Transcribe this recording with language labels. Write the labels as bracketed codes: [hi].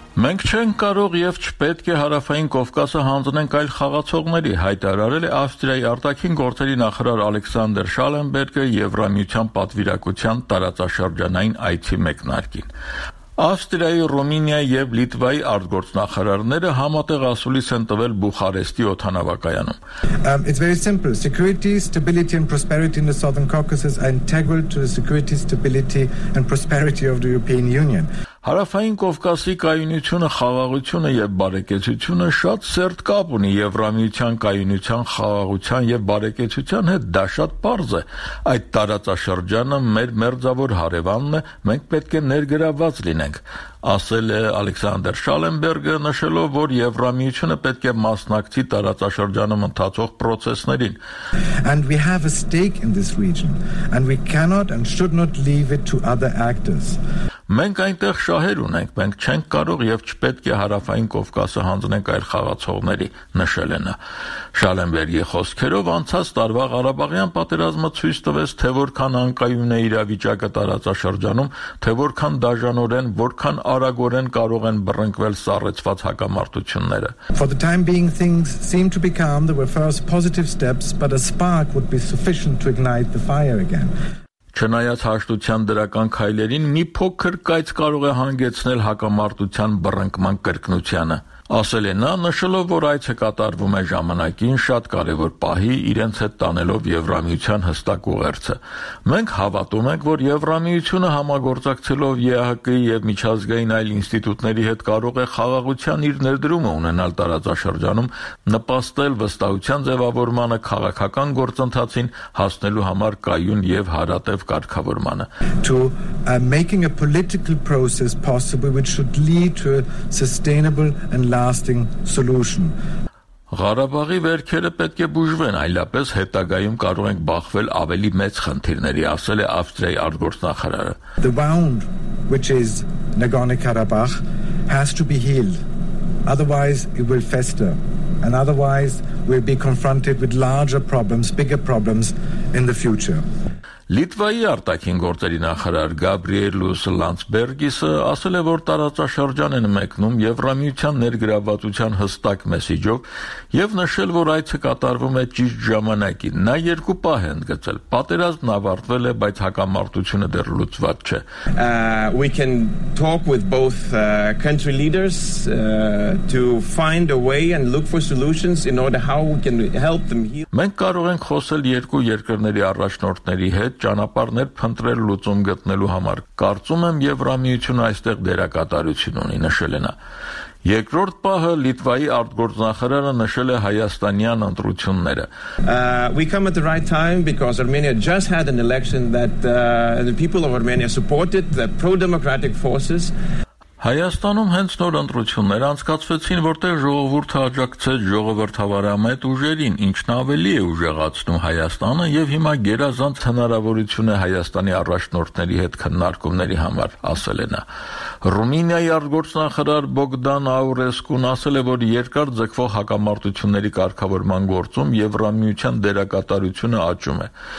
[hy] Մենք չենք կարող և չպետք է Հարավային Կովկասը հանձնենք այլ խաղացողների, հայտարարել է Ավստրիայի արտաքին գործերի նախարար Ալեքսանդր Շալենբերգը Եվրամիության պատվիրակության տարածաշրջանային այցի մեկնարկին։ Ավստրիայի, Ռումինիայի և Լիտվայի արտգործնախարարները համատեղ ասուլիս են տվել Բուխարեստի օդանավակայանում։ [en] It's very simple. Security, stability and prosperity in the Southern Caucasus are integral to the security, stability and prosperity of the European Union. [hy] Հարավային Կովկասի կայունությունը, խաղաղությունը և բարեկեցությունը շատ սերտ կապ ունի Եվրամիության կայունության, խաղաղության և բարեկեցության հետ, դա շատ պարզ է։ Այդ տարածաշրջանը մեր մերձավոր հարևանն է, մենք պետք է ներգրավված լինենք, ասել է Ալեքսանդր Շալենբերգը, նշելով, որ Եվրամիությունը պետք է մասնակցի տարածաշրջանում ընթացող պրոցեսներին։ [en] And we have a stake in this region and we cannot and should not leave it to other actors. [hy] Մենք այնտեղ շահեր ունենք, մենք չենք կարող և չպետք է Հարավային Կովկասը հանձնենք այլ խաղացողների, նշել են։ Շալենբերգի խոսքերով անցած տարվա Ղարաբաղյան պատերազմը ցույց տվեց, թե որքան անկայուն է իրավիճակը տարածաշրջանում, թե որքան դաժանորեն, որքան արագորեն կարող են բռնկվել սառեցված հակամարտությունները։ [en] For the time being things seem to be calm, there were first positive steps, but a spark would be sufficient to ignite the fire again. [hy] Չնայած հաշտության դրական քայլերին, մի փոքր կայծ կարող է հանգեցնել հակամարտության բռնկման կրկնությանը, ասել է նա, նշելով, որ այցը կատարվում է ժամանակին շատ կարևոր պահի, իրենց հետ տանելով Եվրամիության հստակ ուղերձը։ Մենք հավատում ենք, որ Եվրամիությունը համագործակցելով ԵԱՀԿ-ի և միջազգային այլ ինստիտուտների հետ կարող է խաղաղության իր ներդրումը ունենալ տարածաշրջանում, նպաստել վստահության ձևավորմանը, քաղաքական գործընթացին հասնելու համար կայուն և հարատև կարգավորմանը։ [en] To making a political process possible which should lead to a sustainable and lasting solution. [hy] Ղարաբաղի վերքերը պետք է բուժվեն, այլապես հետագայում կարող ենք բախվել ավելի մեծ խնդիրների, ասել է Ավստրիայի արտգործնախարարը. [en] The wound which is Nagorno-Karabakh has to be healed. Otherwise it will fester and otherwise we'll be confronted with larger problems, bigger problems in the future. [hy] Լիտվայի արտաքին գործերի նախարար Գաբրիելուս Լանդսբերգիսը ասել է, որ տարածաշրջան են մեկնում Եվրամիության ներգրավվածության հստակ մեսիջով և նշել, որ այցը կատարվում է ճիշտ ժամանակին։ Նա երկու պահ է ընդգծել։ Պատերազմն ավարտվել է, բայց հակամարտությունը դեռ լուծված չէ։ [en] We can talk with both country leaders to find a way and look for solutions in order how we can help them heal. [hy] Մենք կարող ենք խոսել երկու երկրների առաջնորդների հետ ճանապարհներ փնտրել լուծում գտնելու համար։ Կարծում եմ Եվրամիությունը այստեղ դերակատարություն ունի, նշել է նա։ Երկրորդ պահը Լիտվայի արտգործնախարարը նշել է հայաստանյան ընտրությունները։ [en] We come at the right time because Armenia just had an election that the people of Armenia supported the pro-democratic forces. [hy] Հայաստանում հենց նոր ընտրություններ անցկացվեցին, որտեղ ժողովուրդը աջակցեց ժողովրդավարամետ ուժերին, ինչն ավելի է ուժեղացնում Հայաստանը, և հիմա գերազանց հնարավորություն է Հայաստանի առաջնորդների հետ քննարկումների համար, ասել է նա։ Ռումինիայի արտգործնախարար Բոգդան Աուրեսկուն ասել է, որ երկար ձգվող հակամարտությունների կարգավորման գործում Եվրամիության դերակատարությունը աճում է։